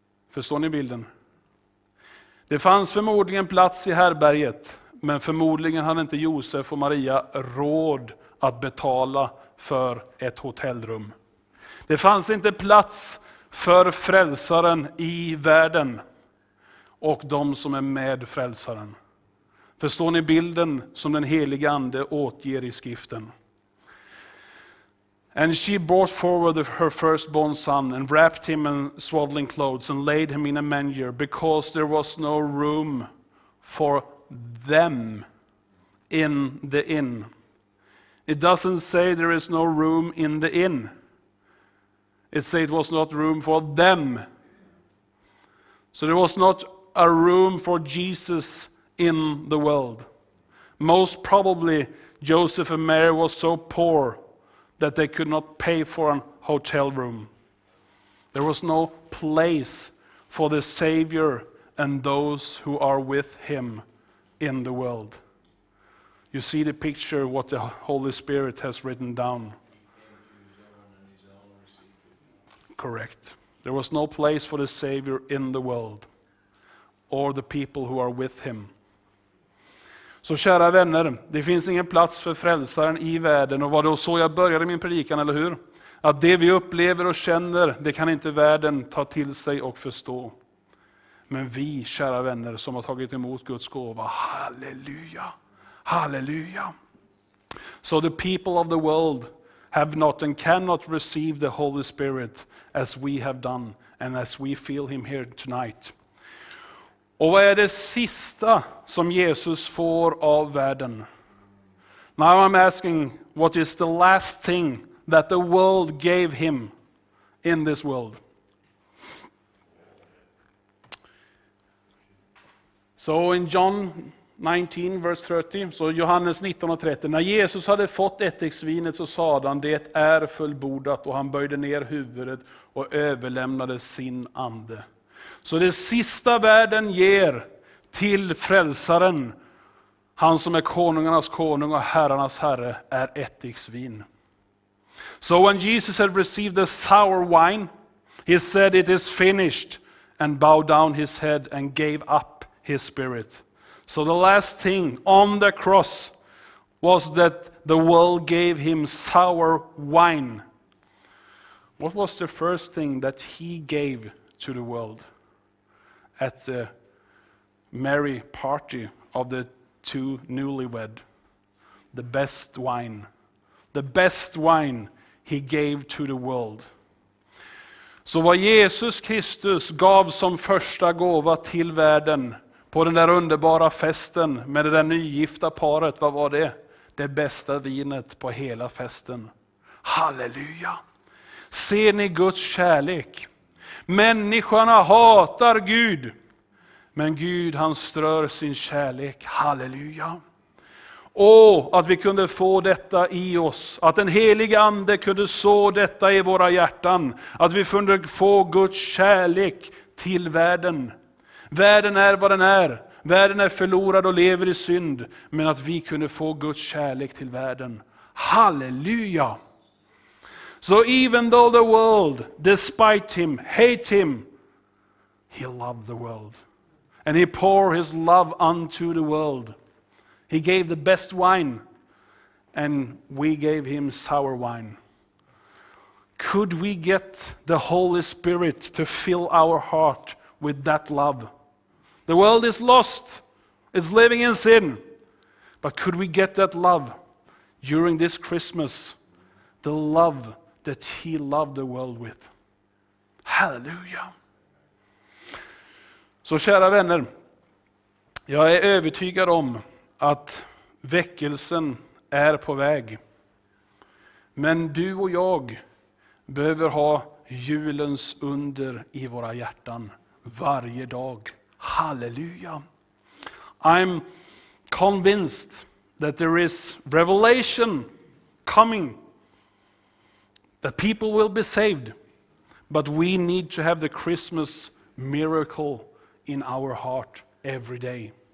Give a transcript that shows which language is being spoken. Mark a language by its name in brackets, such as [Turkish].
[Swedish] Förstår ni bilden? Det fanns förmodligen plats i härberget, men förmodligen hade inte Josef och Maria råd att betala för ett hotellrum. Det fanns inte plats för frälsaren i världen och de som är med frälsaren. Förstår ni bilden som den helige ande återger i skriften? [English] And she brought forward her firstborn son and wrapped him in swaddling clothes and laid him in a manger because there was no room for them in the inn. It doesn't say there is no room in the inn. It says it was not room for them. So there was not a room for Jesus in the world. Most probably Joseph and Mary was so poor that they could not pay for a hotel room. There was no place for the Savior and those who are with him in the world. You see the picture what the Holy Spirit has written down. Correct. There was no place for the Savior in the world or the people who are with him. [Swedish] Så kära vänner, det finns ingen plats för frälsaren i världen. Och vad då, så jag började min predikan, eller hur? Att det vi upplever och känner, det kan inte världen ta till sig och förstå. Men vi, kära vänner, som har tagit emot Guds gåva, halleluja, halleluja. [English] So the people of the world have not and cannot receive the Holy Spirit as we have done and as we feel him here tonight. [Swedish] Och vad är det sista som Jesus får av världen? [English] Now I'm asking, what is the last thing that the world gave him in this world? So in John 19, verse 30, [Swedish] så Johannes 19:30, när Jesus hade fått ättiksvinet så sade han, det är fullbordat, och han böjde ner huvudet och överlämnade sin ande. Så det sista världen ger till frälsaren, han som är konungarnas konung och herrarnas herre, är ättiksvin. [English] So when Jesus had received the sour wine, he said it is finished and bowed down his head and gave up his spirit. So the last thing on the cross, was that the world gave him sour wine. What was the first thing that he gave to the world at the merry party of the two newlywed? The best wine. The best wine he gave to the world. [Swedish] Så vad Jesus Kristus gav som första gåva till världen på den där underbara festen med det där nygifta paret, vad var det? Det bästa vinet på hela festen. Halleluja! Ser ni Guds kärlek? Människorna hatar Gud, men Gud han strör sin kärlek. Halleluja! Åh, att vi kunde få detta i oss. Att den helige ande kunde så detta i våra hjärtan. Att vi kunde få Guds kärlek till världen. Världen är vad den är. Världen är förlorad och lever i synd. Men att vi kunde få Guds kärlek till världen. Halleluja! [English] So even though the world despite him, hate him, he loved the world. And he poured his love unto the world. He gave the best wine and we gave him sour wine. Could we get the Holy Spirit to fill our heart with that love? The world is lost. It's living in sin. But could we get that love during this Christmas? The love that he loved the world with. Hallelujah. [Swedish] Så kära vänner, jag är övertygad om att väckelsen är på väg. Men du och jag behöver ha julens under i våra hjärtan varje dag. Halleluja! [English] I'm convinced that there is revelation coming. That people will be saved. But we need to have the Christmas miracle in our heart every day.